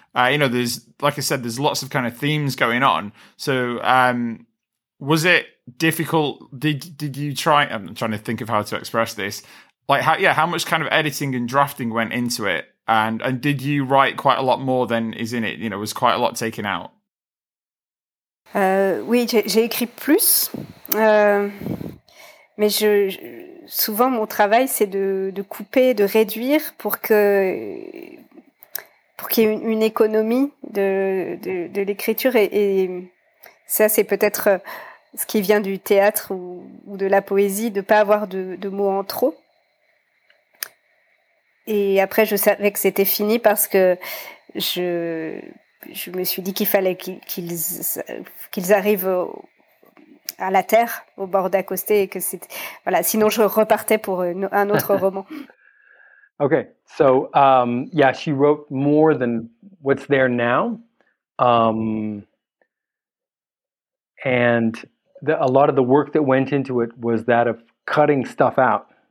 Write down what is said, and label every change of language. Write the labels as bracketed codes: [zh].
[en] You know, there's, like I said, there's lots of kind of themes going on. So was it difficult? Did you try? I'm trying to think of how to express this. Like, how much kind of editing and drafting went into it? And did you write quite a lot more than is in it? You know, was quite a lot taken out? [fr] Oui, j'ai écrit plus. Mais souvent, mon travail, c'est de couper, de réduire pour qu'il y ait une économie de l'écriture. Et ça, c'est peut-être ce qui vient du théâtre ou de la poésie, de ne pas avoir de mots en trop. Et après, je savais que c'était fini parce que je me suis dit qu'il fallait qu'ils arrivent à la terre, au bord d'Acosté, et que c'est voilà. Sinon, je repartais pour un autre roman. [en] Okay, so yeah, she wrote more than what's there now, and a lot of the work that went into it was that of cutting stuff out.